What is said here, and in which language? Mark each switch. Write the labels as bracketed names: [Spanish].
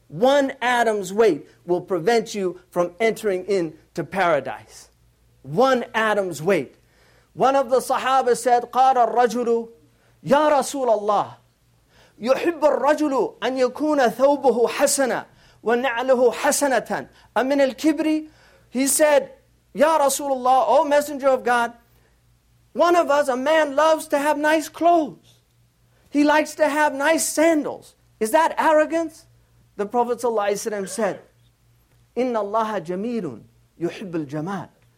[English] One atom's weight will prevent you from entering into paradise. One atom's weight. One of the Sahaba said, [Arabic] قَالَ الرَّجُلُ يَا رَسُولَ اللَّهِ يُحِبُّ الرَّجُلُ أَنْ يَكُونَ ثَوْبُهُ حَسَنًا وَنَعْلُهُ حَسَنَةً أَمِنَ الْكِبْرِ. [English] He said, Ya Rasulullah, O Messenger of God, one of us, a man, loves to have nice clothes. He likes to have nice sandals. Is that arrogance? The Prophet ﷺ said, [Arabic] Inna Allah jameelun yuhibbul jamal.